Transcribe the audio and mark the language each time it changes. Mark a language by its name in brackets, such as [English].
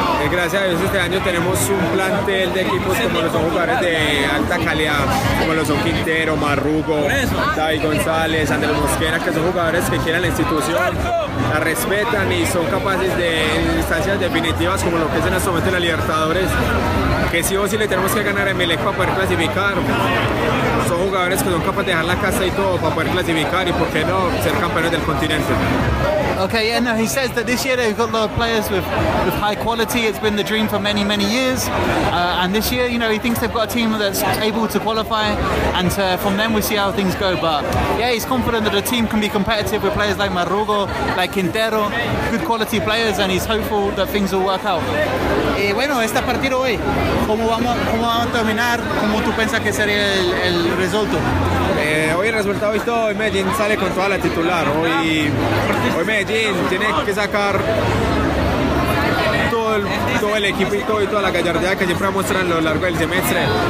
[Spanish] Gracias a Dios este año tenemos un plantel de equipos como los son jugadores de alta calidad, como los son Quintero, Marrugo, David González, Andrés Mosquera, que son jugadores que quieren la institución, la respetan y son capaces de en instancias definitivas como lo que es en este momento en la Libertadores, que sí o sí le tenemos que ganar a Emelec para poder clasificar. Son jugadores que son capaces de dejar la casa y todo para poder clasificar y, por qué no, ser campeones del continente. [English] Okay, yeah, no, he says that this year they've got a lot of players with high quality. It's been the dream for many, many years. And this year, you know, he thinks they've got a team that's able to qualify. And from them, we'll see how things go. But yeah, he's confident that the team can be competitive with players like Marrugo, like Quintero, good quality players, and he's hopeful that things will work out. [Spanish] Bueno, este partido hoy, ¿cómo vamos a terminar? ¿Cómo tú piensas que sería el resultado? Hoy el resultado es todo. Hoy Medellín sale con toda la titular. Hoy Medellín tiene que sacar todo el equipo y todo y toda la gallardía que siempre muestran a lo largo del semestre.